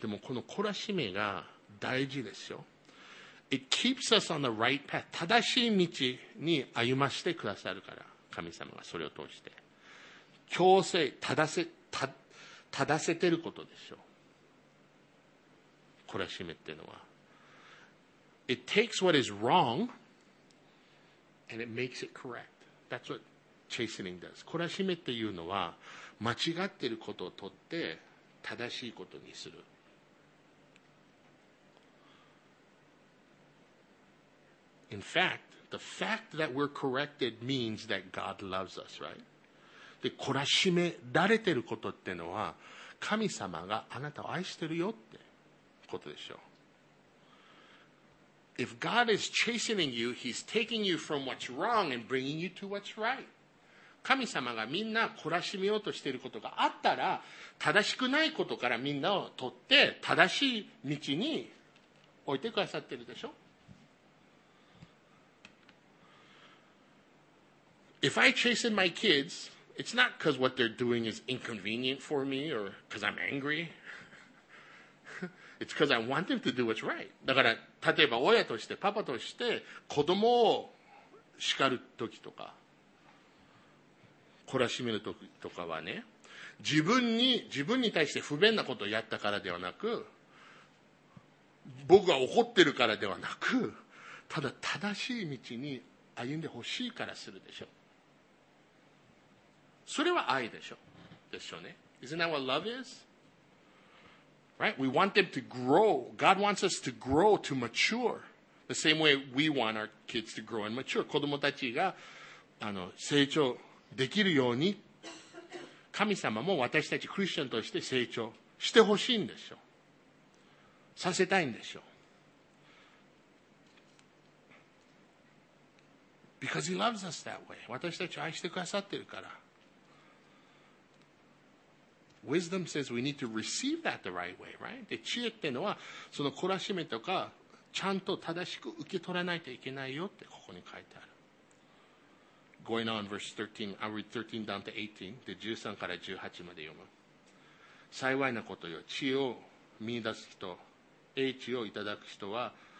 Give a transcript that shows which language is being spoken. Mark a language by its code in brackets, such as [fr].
[ja] でもこの懲らしめが大事ですよ。 [en] It keeps us on the right path. [ja] 正しい道に歩ましてくださるから、神様がそれを通して。強制、正せてることでしょう。懲らしめっていうのは。 [en] It takes what is wrong and it makes it correct. That's what chastening does. [ja] 懲らしめっていうのは間違っていることを取って正しいことにする。 [en] In fact, the fact that we're corrected means that God loves us, right? [ja] で、懲らしめられてることってのは神様があなたを愛してるよってことでしょう。 [en] If God is chastening you, he's taking you from what's wrong and bringing you to what's right. [ja] 神様がみんな懲らしめようとしていることがあったら、正しくないことからみんなを取って正しい道に置いてくださってるでしょ。 [en] If I chasten my kids, it's not because what they're doing is inconvenient for me or because I'm angry. It's because I want them to do what's right. [ja] だから例えば親としてパパとして子供を叱るときとか懲らしめるときとかはね、自分に対して不便なことをやったからではなく、僕が怒ってるからではなく、ただ正しい道に歩んでほしいからするでしょ。それは愛でしょ。ですよね。 [en] Isn't that what love is? Right? We want them to grow. God wants us to grow, to mature. The same way we want our kids to grow and mature. [ja] 子供たちが成長できるように神様も私たちクリスチャンとして成長してほしいんでしょう。させたいんでしょう。 [en] Because he loves us that way. [ja] 私たちを愛してくださってるから。 [en] Wisdom says we need to receive that the right way, right? [ja] で、知恵ってのはその懲らしめとかちゃんと正しく受け取らないといけないよってここに書いてある。 [en] Going on, verse 13. I'll read 13 down to 18. [ja] で、13から18まで読む。幸いなことよ。知恵を見出す人、英知をいただく人は、